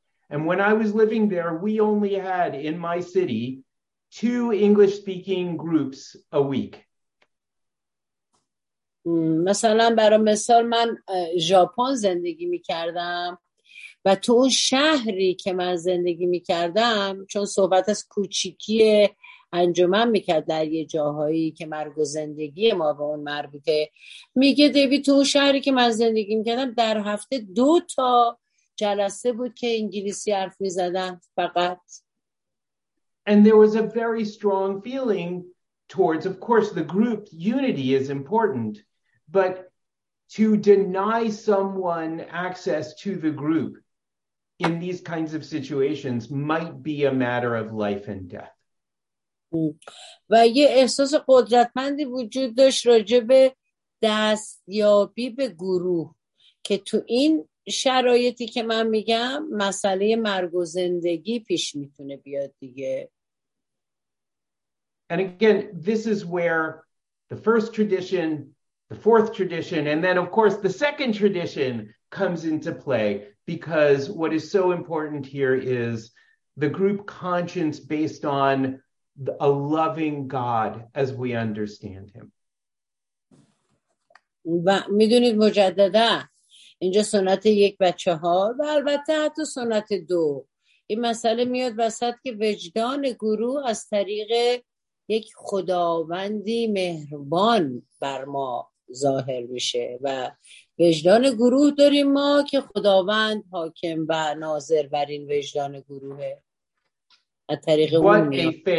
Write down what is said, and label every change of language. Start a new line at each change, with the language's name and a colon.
English: And when I was living there, we only had in my city two English speaking groups a week.
Persian: مثلا برای مثال من ژاپن زندگی می‌کردم و تو اون شهری که من زندگی می‌کردم چون صحبت از کوچیکی انجمن می‌کرد در یه جاهایی که مرگ و زندگی ما به اون مربوطه میگه دیوید تو اون شهری که من زندگی می‌کردم در هفته دو تا جلسه بود که انگلیسی حرف می‌زدن فقط.
English: And there was a very strong feeling towards, of course, the group unity is important, but to deny someone access to the group in these kinds of situations might be a matter of life and death.
Persian: و یه احساس قدرتمندی وجود داشت راجع به دستیابی به گروه که تو این شرایطی که من میگم مسئله مرگ و زندگی پیش میتونه بیاد دیگه.
English: And again, this is where the first tradition, the fourth tradition, and then of course the second tradition comes into play, because what is so important here is the group conscience based on a loving God as we understand him.
Persian: و میدونید مجددا اینجا سنت یک و چهار و البته حتی سنت دو این مسئله میاد وسط که وجدان گروه از طریق یک خداوندی مهربان بر ما ظاهر میشه و وجدان گروه داریم ما که خداوند حاکم و ناظر بر این وجدان گروه از طریق اون میاد.